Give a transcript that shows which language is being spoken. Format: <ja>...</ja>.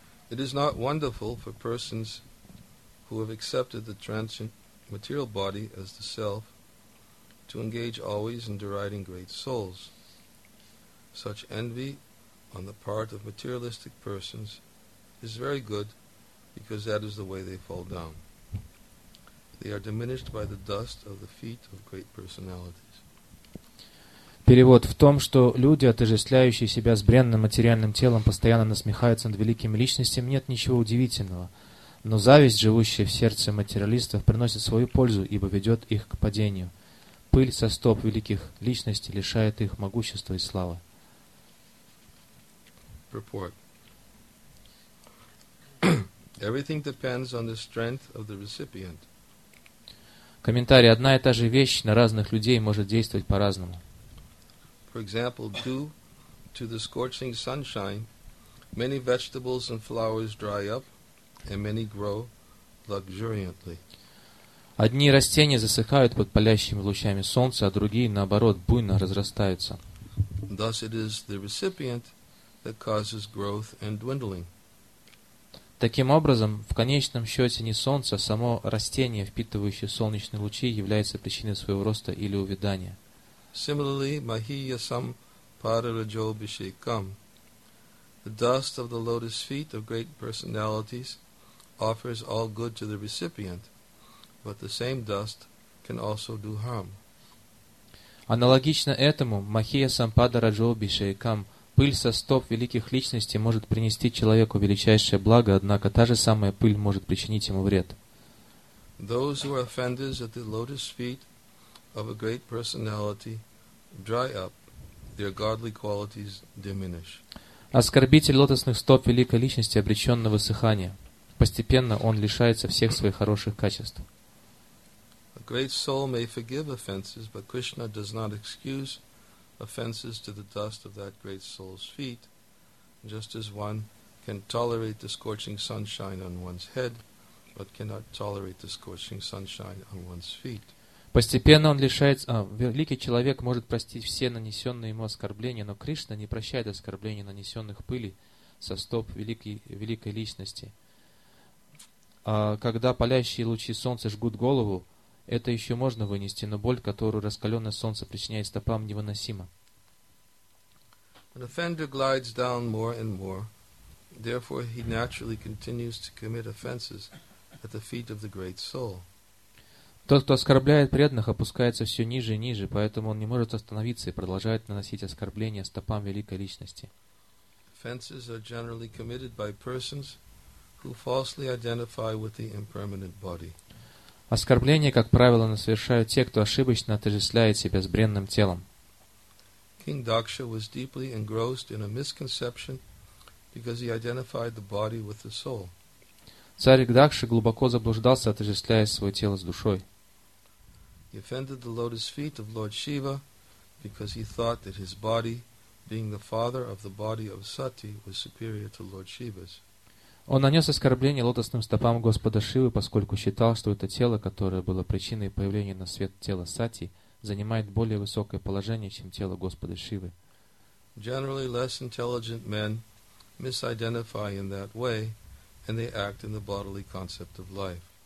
<en>It is not wonderful for persons who have accepted the transient material body as the self to engage always in deriding great souls. Such envy on the part of materialistic persons is very good, because that is the way they fall down. They are diminished by the dust of the feet of great personalities.</en> <ru>Перевод в том, что люди, отождествляющие себя с бренным материальным телом, постоянно насмехаются над великими личностями, нет ничего удивительного. Но зависть, живущая в сердце материалистов, приносит свою пользу, ибо ведет их к падению. Пыль со стоп великих личностей лишает их могущества и славы.</ru> <en>Purport. Everything depends on the strength of the recipient.</en> <ru>Комментарий. Одна и та же вещь на разных людей может действовать по-разному.</ru> <en>For example, due to the scorching sunshine, many vegetables and flowers dry up, and many grow luxuriantly.</en> <ru>Одни растения засыхают под палящими лучами солнца, а другие, наоборот, буйно разрастаются.</ru> <en>Thus it is the recipient that causes growth and dwindling.</en> <ru>Таким образом, в конечном счете не солнце, а само растение, впитывающее солнечные лучи, является причиной своего роста или увядания.</ru> <en>Similarly,</en> <sa>mahiyasam pararajo bishekam.</sa> <en>The dust of the lotus feet of great personalities offers all good to the recipient, but the same dust can also do harm.</en> <ru>Аналогично этому,</ru> <sa>mahiyasam pararajo bishekam.</sa> <ru>Пыль со стоп великих личностей может принести человеку величайшее благо, однако та же самая пыль может причинить ему вред.</ru> <en>Those who are offenders at the lotus feet of a great personality dry up, their godly qualities diminish.</en> <ru>Оскорбитель лотосных стоп великой личности обречен на высыхание. Постепенно он лишается всех своих хороших качеств.</ru> <en>A great soul may forgive offenses, but Krishna does not excuse offenses to the dust of that great soul's feet, just as one can tolerate the scorching sunshine on one's head, but cannot tolerate the scorching sunshine on one's feet.</en> <ru>Постепенно он лишается. Великий человек может простить все нанесенные ему оскорбления, но Кришна не прощает оскорбления, нанесенных пыли со стоп великой личности. Когда палящие лучи солнца жгут голову, это еще можно вынести, но боль, которую раскаленное солнце причиняет стопам, невыносима.</ru> <en>An offender glides down more and more, therefore he naturally continues to commit offenses at the feet of the great soul.</en> <ru>Тот, кто оскорбляет преданных, опускается все ниже и ниже, поэтому он не может остановиться и продолжает наносить оскорбления стопам великой личности.</ru> <en>Offenses are generally committed by persons who falsely identify with the impermanent body.</en> <ru>Оскорбления, как правило, совершают те, кто ошибочно отождествляет себя с бренным телом.</ru> <en>King Daksha was deeply engrossed in a misconception because he identified the body with the soul.</en> <ru>Царь Дакша глубоко заблуждался, отождествляя свое тело с душой.</ru> <en>He offended the lotus feet of Lord Shiva because he thought that his body, being the father of the body of Sati, was superior to Lord Shiva's.</en> <ru>Он нанес оскорбление лотосным стопам Господа Шивы, поскольку считал, что это тело, которое было причиной появления на свет тела Сати, занимает более высокое положение, чем тело Господа Шивы.</ru> <en>Generally, less intelligent men misidentify in that way, and they act in the bodily concept of life.</en>